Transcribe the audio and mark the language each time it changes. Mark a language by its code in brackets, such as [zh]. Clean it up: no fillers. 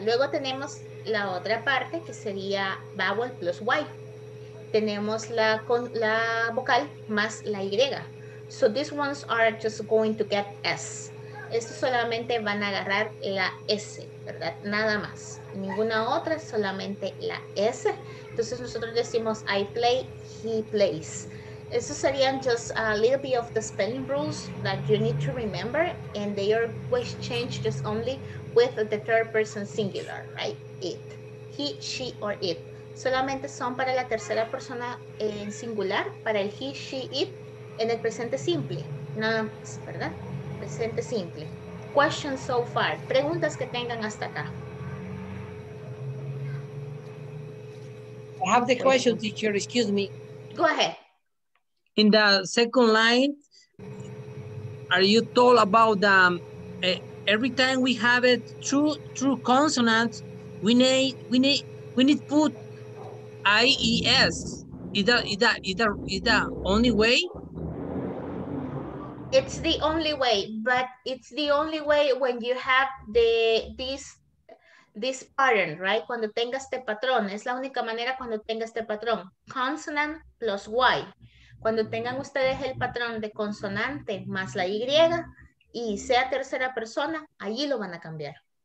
[es] Luego tenemos la otra parte que sería vowel plus Y. Tenemos la vocal más la Y. [en] So these ones are just going to get S. [es] Estos solamente van a agarrar la S, ¿verdad? Nada más. Ninguna otra, solamente la S. Entonces nosotros decimos I play, he plays. [en] Estos serían just a little bit of the spelling rules that you need to remember, and they are always changed just only with the third person singular, right? It. He, she, or it. [es] Solamente son para la tercera persona en singular, para el he, she, it, en el presente simple. Nada más, ¿verdad? Presente simple. Questions so far. Preguntas que tengan hasta acá. [en] I have the question, teacher. Excuse me. Go ahead. In the second line, are you told about every time we have it true consonants, we need put IES. Is that only way? It's the only way, but it's the only way when you have this pattern, right? [es] Cuando tengas este patrón, es la única manera cuando tengas este patrón. Consonant plus Y. Cuando tengan ustedes el patrón de consonante más la Y y sea tercera persona, allí lo van a cambiar.